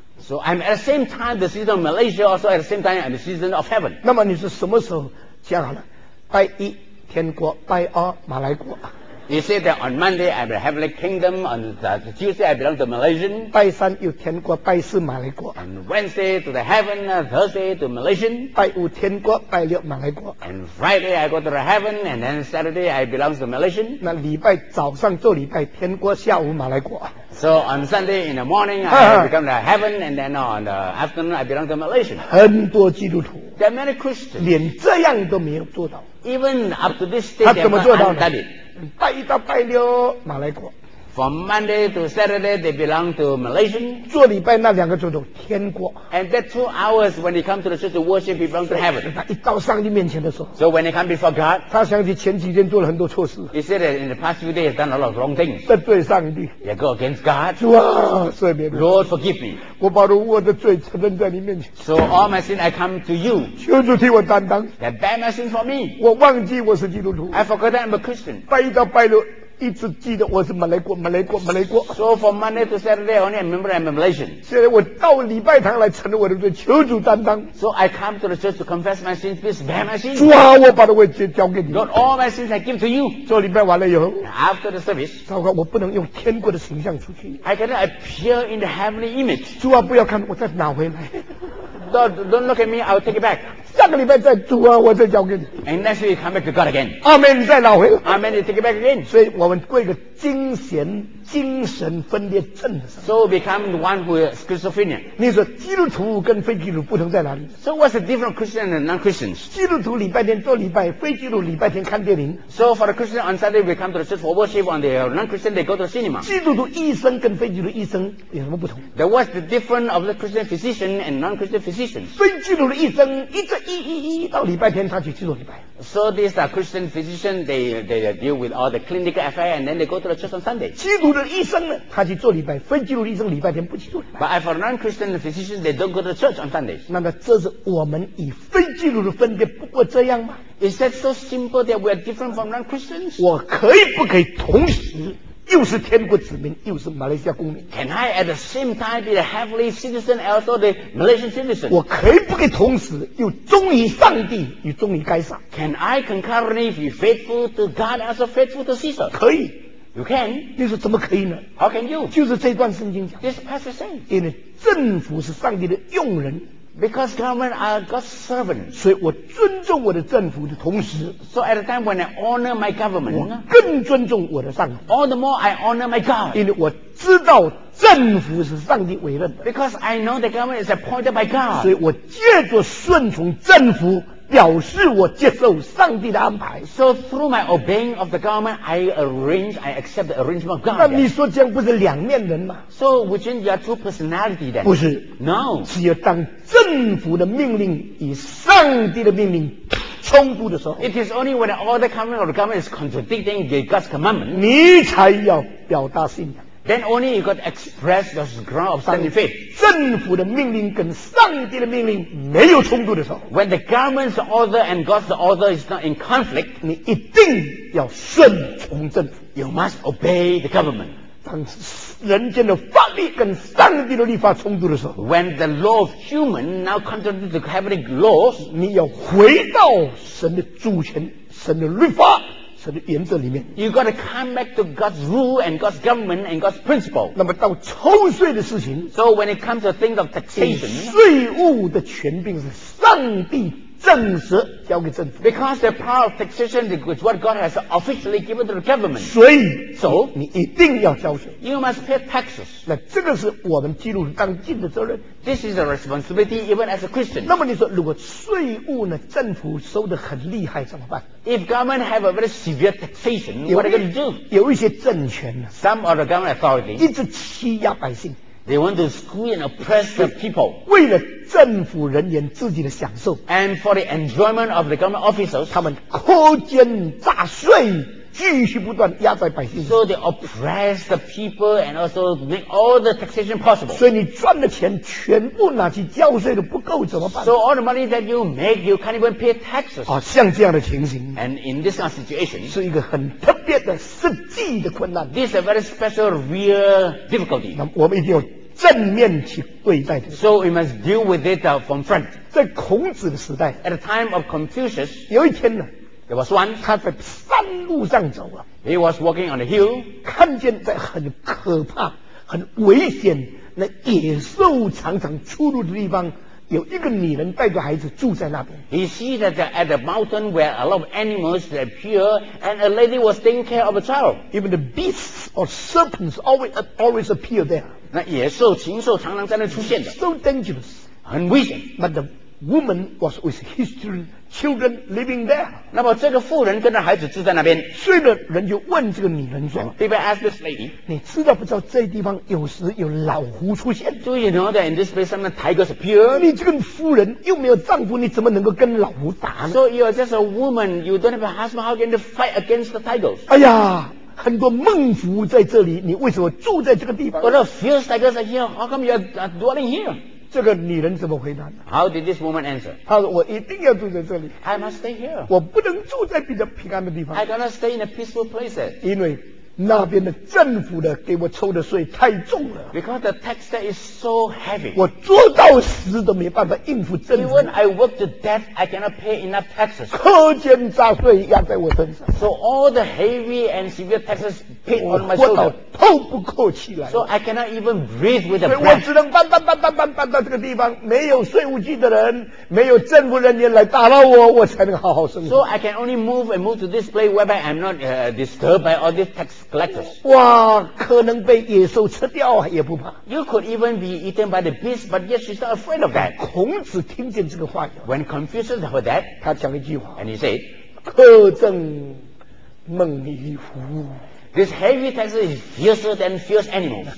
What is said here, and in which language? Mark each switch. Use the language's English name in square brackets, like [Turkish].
[English] So I'm at the same time the citizen of Malaysia, also at the same time I'm the citizen of heaven. [Chinese] 那么你是什么时候讲好了？拜一天国，拜二马来国。 [English] You say that on Monday I'm a heavenly kingdom, on the Tuesday I belong to Malaysian. [Chinese] 拜三有天国，拜四马来国。 [English] And Wednesday to the heaven, Thursday to Malaysian. [Chinese] 拜五天国，拜六马来国。 [English] And Friday I go to the heaven, and then Saturday I belong to Malaysian. [Chinese] 那礼拜早上做礼拜，天国下午马来国。 [English] So on Sunday in the morning I become the heaven, and then on the afternoon I belong to Malaysian. [Chinese] 很多基督徒。 [English] There are many Christians. [Chinese] 连这样都没有做到。 [English] Even up to this day, [Chinese] 他怎么做到呢？拜一到拜六马来国。 [English] From Monday to Saturday, they belong to Malaysia. [Chinese] 做礼拜那两个钟头天国。 [English] And that 2 hours when they come to the church to worship, they belong to heaven. [Chinese] 他一到上帝面前的时候。 [English] So when they come before God, [Chinese] 他想起前几天做了很多错事。 [English] He said that in the past few days, he's done a lot of wrong things. [Chinese] 得罪上帝。 [English] You go against God. [Chinese] 主啊，赦免我。 [English] Lord, forgive me. [Chinese] 我把我的罪承认在你面前。 [English] So all my sin, I come to you. [Chinese] 求主替我担当。 [English] That bear my sin for me. [Chinese] 我忘记我是基督徒。 [English] I forgot I'm a Christian. [Chinese] 拜一到拜六。一直记得我是马来国，马来国，马来国。 [English] So from Monday to Saturday, I only remember I'm a Malaysian. [Chinese] 现在我到礼拜堂来承认我的罪，求主担当。 [English] So I come to the church to confess my sins, please bear my sins. [Chinese] 主啊，我把的罪交给你。 [English] God, all my sins I give to you. [Chinese] 做礼拜完了以后。 [English] After the service. [Chinese] 糟糕，我不能用天国的形象出去。 [English] I cannot appear in the heavenly image. [Chinese] 主啊，不要看我再拿回来。 [English] Don't look at me, I'll take it back. [Chinese] 下个礼拜再主啊，我再交给你。 [English] And next week come back to God again. [Chinese] Amen, 再拿回来。 [English] Amen, take it back again. [Chinese] 所以我们过一个惊险精神分裂症。 [English] So become the one who is schizophrenia. [Chinese] 你说基督徒跟非基督徒不同在哪里？ [English] So what's the difference Christian and non-Christians? [Chinese] 基督徒礼拜天做礼拜，非基督徒礼拜天看电影。 [English] So for the Christian on Sunday we come to the church for worship, on the non-Christian they go to the cinema. [Chinese] 基督徒医生跟非基督徒医生有什么不同？ [English] That what's the difference of the Christian physician and non-Christian physicians? [Chinese] 非基督徒的医生一直一到礼拜天他去去做礼拜。 [English] So these are Christian physicians, they deal with all the clinical affair and then they go to the church on Sunday. [Chinese] 基督的医生呢，他去做礼拜，非基督的医生礼拜天不去做礼拜。 [English] But for non-Christian physicians, they don't go to the church on Sunday. [Chinese] 那么这是我们以非基督的分别不过这样吗？ [English] Is that so simple that we are different from non-Christians? [Chinese] 我可以不可以同时又是天国子民，又是马来西亚公民。 [English] Can I at the same time be a heavenly citizen, also the Malaysian citizen? [Chinese] 我可以不可以同时又忠于上帝，又忠于该撒 [English] ？Can I concurrently be faithful to God as a faithful to Caesar? [Chinese] 可以。 [English] You can. [Chinese] 你说怎么可以呢 [English] ？How can you? [Chinese] 就是这段圣经讲。 [English] This passage says. [Chinese] 因为政府是上帝的用人。 [English] Because government are God's servants. [Chinese] 所以我尊重我的政府的同时 [English] So at the time when I honor my government, [Chinese] 我更尊重我的上帝 [English] All the more I honor my God. [Chinese] 因为我知道政府是上帝委任的 [English] Because I know the government is appointed by God. [Chinese] 所以我借着顺从政府表示我接受上帝的安排 [English] So through my obeying of the government I arrange, I accept the arrangement of God [Chinese] 那你说这样不是两面人吗 [English] So would you have two personality then? [Chinese] 不是 [English] No [Chinese] 只有当政府的命令与上帝的命令冲突的时候 [English] It is only when all the government of the government is contradicting God's commandment [Chinese] 你才要表达信仰 [English] Then only you got express the ground of standing faith. [Chinese] 政府的命令跟上帝的命令没有冲突的时候 [English] When the government's order and God's order is not in conflict, [Chinese] 你一定要顺从政府 [English] You must obey the government. [Chinese] 当人间的法律跟上帝的律法冲突的时候 [English] When the law of human now contradicts the heavenly laws, [Chinese] 你要回到神的主权、神的律法神的原则里面 [English] You gotta come back to God's rule and God's government and God's principle. [Chinese] 那么到抽税的事情 [English] So when it comes to things of taxation, [Chinese] 税务的权柄是上帝正式交给政府 [English] Because the power of taxation is what God has officially given to the government. [Chinese] 所以 [English] So [Chinese] 你一定要交税 [English] You must pay taxes. [Chinese] 那这个是我们基督徒当尽的责任 [English] This is a responsibility even as a Christian. [Chinese] 那么你说如果税务呢政府收得很厉害怎么办 [English] If government have a very severe taxation, what are they going to do? [Chinese] 有一些政权呢 [English] Some of the government authorities [Chinese] 一直欺压百姓 [English] They want to screw and oppress the people. [Chinese] 为了政府人员自己的享受 [English] And for the enjoyment of the government officers, [Chinese] 他们苛捐杂税继续不断压在百姓 [English] So they oppress the people and also make all the taxation possible. [Chinese] 所以你赚的钱全部拿去交税都不够怎么办 [English] So all the money that you make, you can't even pay taxes. [Chinese] 啊，像这样的情形 [English] And in this kind of situation, [Chinese] 是一个很特别的实际的困难 [English] This is a very special real difficulty. [Chinese] 那我们一定要正面去对待的。 [English] So we must deal with it from front. [Chinese] 在孔子的时代 [English] At the time of Confucius, [Chinese] 有一天呢 [English] There was one, [Chinese] 他在山路上走啊 [English] He was walking on a hill, [Chinese] 看见在很可怕很危险那野兽常常出入的地方有一个女人带着孩子住在那边 [English] He sees that they're at a mountain where a lot of animals appear and a lady was taking care of a child. Even the beasts or serpents always appear there. [Chinese] 那野兽禽兽常常在那出现的 [English] So dangerous [Chinese] 很危险 [English] But the woman was with his children living there [Chinese] 那么这个妇人跟着孩子住在那边所以人就问这个女人说 [English] People ask this lady [Chinese] 你知道不知道这地方有时有老虎出现 [English] Do you know that in this place sometimes tigers appear [Chinese] 你这个妇人又没有丈夫你怎么能够跟老虎打呢 [English] So you are just a woman You don't have a husband How can you fight against the tigers [Chinese] 哎呀很多孟福在这里你为什么住在这个地方 [English] What a fierce tiger is here How come you are dwelling here [Chinese] 这个女人怎么回答 [English] How did this woman answer [Chinese] 她说我一定要住在这里 [English] I must stay here [Chinese] 我不能住在比较平安的地方 [English] I cannot stay in a peaceful place [Chinese] 因为那边的政府的给我抽的税太重了 [English] Because the tax there is so heavy [Chinese] 我做到死都没办法应付政府 [English] Even I work to death I cannot pay enough taxes [Chinese] 苛捐杂税压在我身上 [English] So all the heavy and severe taxes paid on my shoulder [Chinese] 我透不过气来 [English] So I cannot even breathe with a breath [Chinese] 我只能搬到这个地方没有税务局的人没有政府人员来打扰我我才能好好生活 [English] So I can only move and move to this place whereby I'm not disturbed by all these taxes Collectors. [Chinese] 哇可能被野兽吃掉也不怕 [English] You could even be eaten by the beast But yet she's not afraid of that [Chinese] 孔子听见这个话 [English] When Confucius heard that [Chinese] 他讲一句话 [English] And he said [Chinese] 苛政猛于虎 [English] This heavy tax is fiercer than fierce animals